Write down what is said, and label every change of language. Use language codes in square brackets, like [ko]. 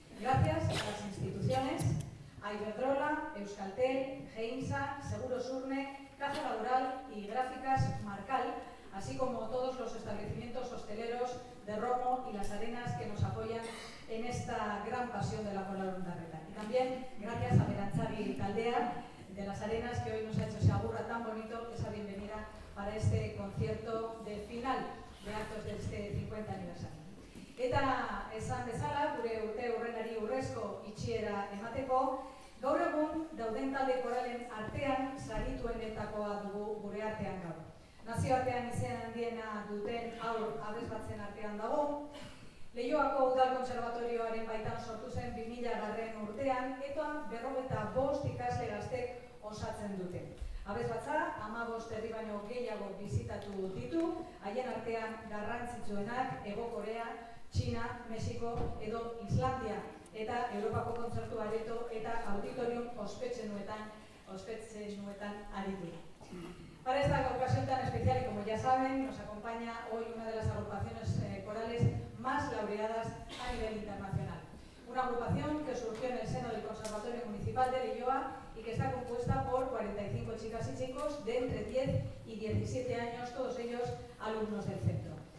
[es] Gracias a las instituciones, a Iberdrola, Euskaltel, Geinsa, Seguros Urne, Caja Laboral y Gráficas Marcal, así como todos los establecimientos hosteleros de Romo y Las Arenas que nos apoyan en esta gran pasión de la Coral Ondarreta. Y también gracias a Berantzari Taldea de Las Arenas, que hoy nos ha hecho ese agurra tan bonito, esa bienvenida para este concierto de final de actos de este 50 aniversario. [eu] Eta esan bezala, gure urte urrenari urrezko itxiera emateko, gaur egun dauden talde koralen artean sarituenetakoa dugu gure artean gaur. Nazioartean izen handiena duten aur abesbatzen artean dago, Leioako Udal Kontserbatorioaren baitan sortu zen 2000 urtean, eta 45 ikasle gaztek osatzen dute. Abesbatza, 15 herri baino gehiago bizitatu ditu, haien artean garrantzitsuenak Hego Korea, China, Mexiko edo Islandia eta Europako kontzertu areto eta auditorium ospetzenuetan aritu. [es] Para esta ocasión tan especial y como ya saben, nos acompaña hoy una de las agrupaciones corales más laureadas a nivel internacional. Una agrupación que surgió en el seno del Conservatorio Municipal de Leioa y que está compuesta por 45 chicas y chicos de entre 10 y 17 años, todos ellos alumnos del centro.